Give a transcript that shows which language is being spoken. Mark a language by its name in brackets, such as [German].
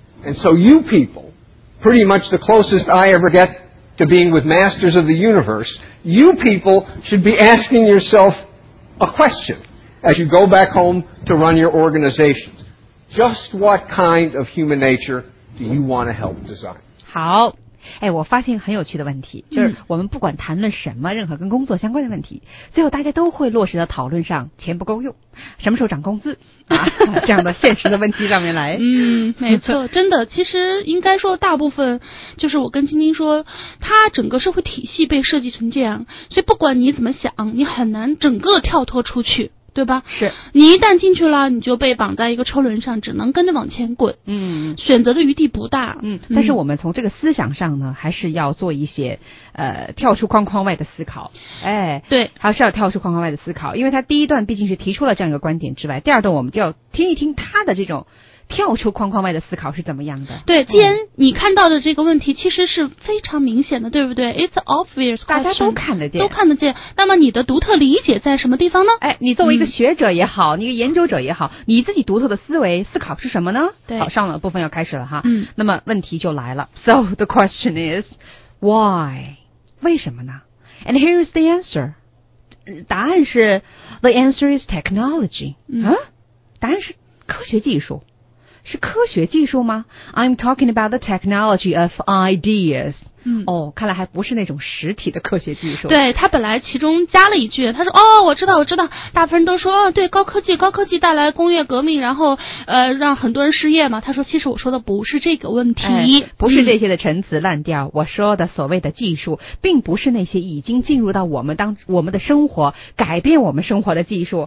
[English] And so you people, pretty much the closest I ever get to being with masters of the universe, you people should be asking yourself a question as you go back home to run your organizations. Just what kind of human nature do you want to help design? [Chinese] 好。哎，我发现很有趣的问题，就是我们不管谈论什么，任何跟工作相关的问题，最后大家都会落实到讨论上，钱不够用，什么时候涨工资啊，这样的现实的问题上面来。嗯，没错，真的，其实应该说大部分，就是我跟晶晶说，它整个社会体系被设计成这样，所以不管你怎么想，你很难整个跳脱出去。对吧？是，你一旦进去了，你就被绑在一个车轮上，只能跟着往前滚。嗯，选择的余地不大。嗯，但是我们从这个思想上呢，还是要做一些跳出框框外的思考。哎，对，还是要跳出框框外的思考，因为他第一段毕竟是提出了这样一个观点之外，第二段我们就要听一听他的这种跳出框框外的思考是怎么样的。对，既然你看到的这个问题其实是非常明显的，对不对？ [English] It's obvious question， [Chinese] 大家都看得见，都看得见。那么你的独特理解在什么地方呢？哎，你作为一个学者也好，你一个研究者也好，你自己独特的思维思考是什么呢？对，好，上了部分要开始了哈。嗯，那么问题就来了。 [English] So the question is why， [Chinese] 为什么呢？ [English] And here is the answer， [Chinese] 答案是 [English] The answer is technology。 [Chinese] 嗯，答案是科学技术，是科学技术吗？ [English] I'm talking about the technology of ideas。 [Chinese] 嗯，哦，看来还不是那种实体的科学技术。对，他本来其中加了一句，他说，哦，我知道我知道，大部分人都说，哦，对，高科技，高科技带来工业革命，然后让很多人失业嘛。他说，其实我说的不是这个问题。哎，不是这些的陈词滥调。我说的所谓的技术并不是那些已经进入到我们的生活，改变我们生活的技术。